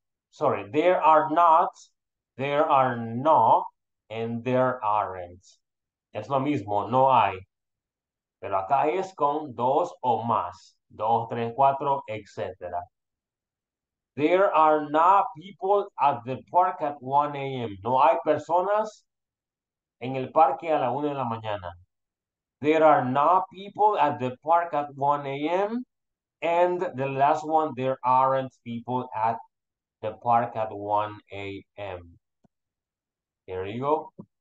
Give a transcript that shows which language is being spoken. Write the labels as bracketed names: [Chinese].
[English] Sorry, there are not, there are not, and there aren't. [Spanish] Es lo mismo, no hay. Pero acá es con dos o más. Dos, tres, cuatro, [English] etc. There are not people at the park at 1 a.m. [Spanish] No hay personas en el parque a la una de la mañana. [English] There are not people at the park at 1 a.m. And the last one, there aren't people at the park at 1 a.m. There you go.